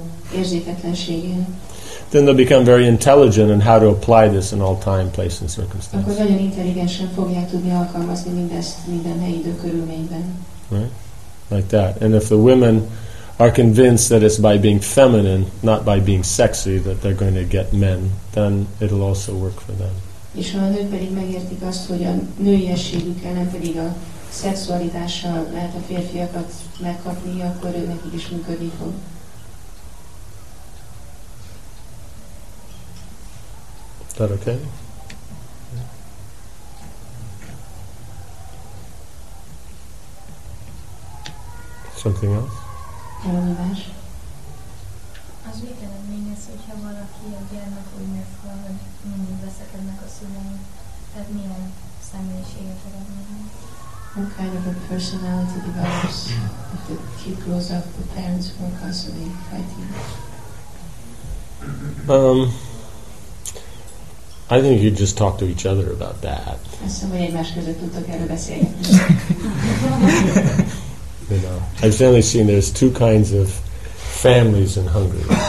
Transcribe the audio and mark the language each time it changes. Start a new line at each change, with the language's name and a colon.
English: Then they'll become very intelligent in how to apply this in all time, place, and circumstances. Right? Like that. And if the women are convinced that it's by being feminine, not by being sexy, that they're going to get men, then it'll also work for them.
Hungarian: És a nők pedig megértik azt, hogy a nőiességükkel, nem pedig a szexualitással lehet a férfiakat megkapni, akkor ő nekik is működni fog.
English: That okay? Something else?
Hungarian: Az mit eredményez, hogyha valaki a gyermek úgy megfogad, hogy mindig veszekednek a szülei? Tehát milyen személyiséget eredményez?
English: What kind of a personality develops if the kid grows up, the parents who are constantly fighting? I think you just talk to each other about that.
Hungarian: Azt mondja, hogy egymás között tudtok erről beszélni.
English: You know, I've generally seen there's two kinds of families in Hungary.